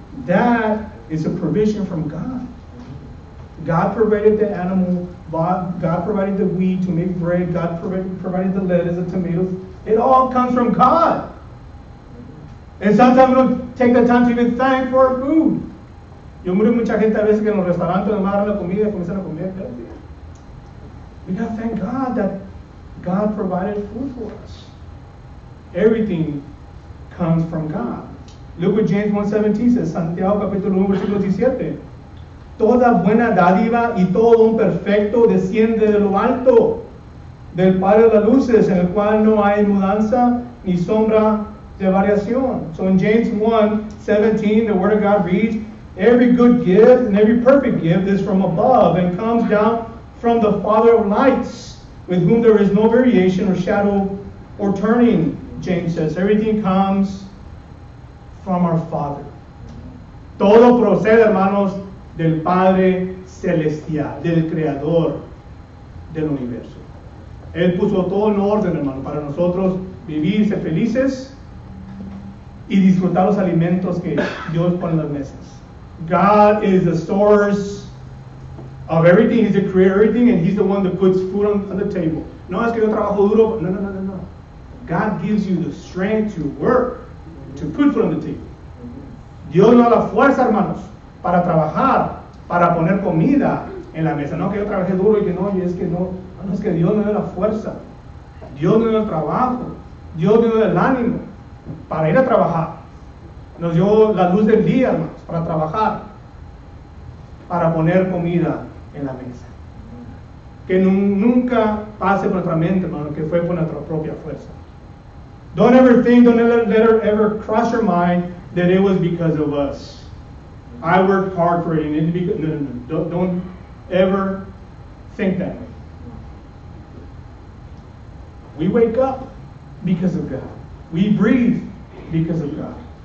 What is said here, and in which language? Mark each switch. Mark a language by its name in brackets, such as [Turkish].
[English] That is a provision from God. God provided the animal, God provided the wheat to make bread, God provided the lettuce, the tomatoes. It all comes from God. And sometimes we don't take the time to even thank for our food. [Spanish] Yo miro mucha gente a veces que en los restaurantes no me dan la comida y comienzan a comer. [English] We gotta thank God that God provided food for us. Everything comes from God. Look what James 1:17 says, [Spanish] Santiago capítulo 1, versículo 17. Toda buena dádiva y todo don perfecto desciende de lo alto, del Padre de las luces, en el cual no hay mudanza ni sombra de variación. [English] So in James 1:17, the word of God reads, every good gift and every perfect gift is from above and comes down from the Father of lights, with whom there is no variation or shadow or turning, James says. Everything comes from our Father. [Spanish] Todo procede, hermanos, del Padre Celestial, del Creador del Universo. Él puso todo en orden, hermano, para nosotros vivir, ser felices y disfrutar los alimentos que Dios pone en las mesas. [English] God is the source of everything. He's the creator of everything, and He's the one that puts food on the table. [Spanish] No es que yo trabajo duro. No. [English] God gives you the strength to work, to put food on the table. [Spanish] Dios nos da la fuerza, hermanos, para trabajar, para poner comida en la mesa. No que yo trabajé duro y que no, y es que no. No es que Dios nos dio la fuerza. Dios nos dio el trabajo. Dios nos dio el ánimo para ir a trabajar. Nos dio la luz del día, hermanos, para trabajar, para poner comida en la mesa. Que nunca pase por nuestra mente, hermano, que fue por nuestra propia fuerza. [English] Don't ever think, don't ever cross your mind that it was because of us. I worked hard for it. And it because, no. Don't ever think that way. We wake up because of God. We breathe because of God.